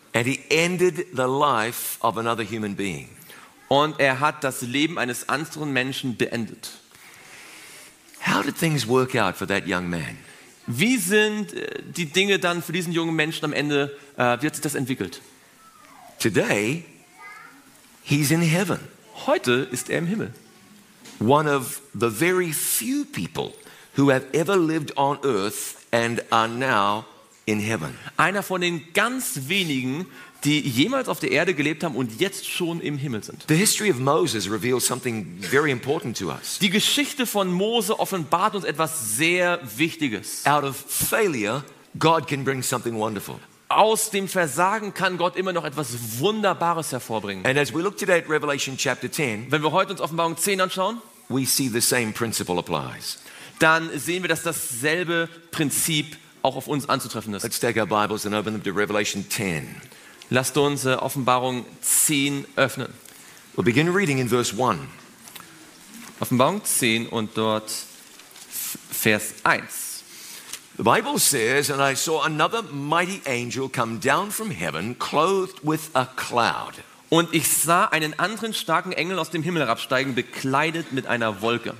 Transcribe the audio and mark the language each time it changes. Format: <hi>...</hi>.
<en>And he ended the life of another human being.</en> <de>Und hat das Leben eines anderen Menschen beendet.</de> <en>How did things work out for that young man?</en> <de>Wie sind die Dinge dann für diesen jungen Menschen am Ende, wie hat sich das entwickelt?</de> <en>Today, he's in heaven.</en> <de>Heute ist im Himmel.</de> <en>One of the very few people who have ever lived on earth and are now in heaven.</en> <de>Einer von den ganz wenigen, die jemals auf der Erde gelebt haben und jetzt schon im Himmel sind.</de> <en>The history of Moses reveals something very important to us.</en> <de>Die Geschichte von Mose offenbart uns etwas sehr Wichtiges.</de> <en>Out of failure, God can bring something wonderful.</en> <de>Aus dem Versagen kann Gott immer noch etwas Wunderbares hervorbringen.</de> <en>And as we look today at Revelation chapter 10,</en> <de>wenn wir heute uns Offenbarung 10 anschauen,</de> <en>we see the same principle applies.</en> <de>Dann sehen wir, dass dasselbe Prinzip auch auf uns anzutreffen ist.</de> <en>Let's take our Bibles and open them to Revelation 10.</en> <de>Lasst uns Offenbarung 10 öffnen.</de> <en>We'll begin reading in verse 1.</en> <de>Offenbarung 10 und dort Vers 1.</de> <en>The Bible says, and I saw another mighty angel come down from heaven, clothed with a cloud.</en> <de>Und ich sah einen anderen starken Engel aus dem Himmel herabsteigen, bekleidet mit einer Wolke.</de>